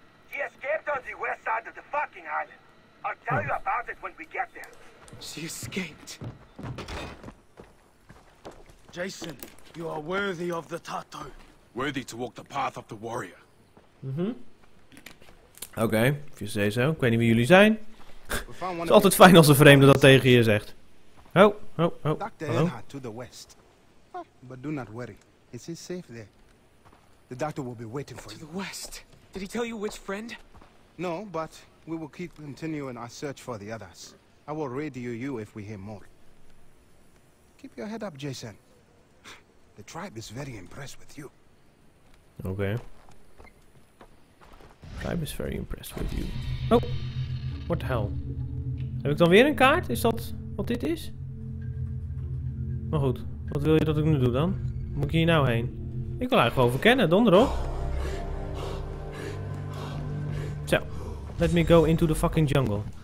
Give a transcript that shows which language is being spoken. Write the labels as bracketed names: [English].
[English] She escaped on the west side of the fucking island. I'll tell you about it when we get there. She escaped. Jason, you are worthy of the Tato. Worthy to walk the path of the warrior. [Dutch] Mhm. Oké, of je zei zo. Ik weet niet wie jullie zijn. Het is altijd fijn als een vreemde dat tegen je zegt. Oh, oh, oh. [English] Dr. Earnhardt to the west. But do not worry. Is he safe there? The doctor will be waiting for you. To the west? Did he tell you which friend? No, but we will keep continuing our search for the others. I will radio you if we hear more. Keep your head up, Jason. The tribe is very impressed with you. [Dutch] Oké. [English] Tribe is very impressed with you. Oh, what the hell? [Dutch] Heb ik dan weer een kaart? Is dat wat dit is? Maar goed, wat wil je dat ik nu doe dan? Moet ik hier nou heen? Ik wil eigenlijk gewoon verkennen, donderop. [English] Zo, let me go into the fucking jungle.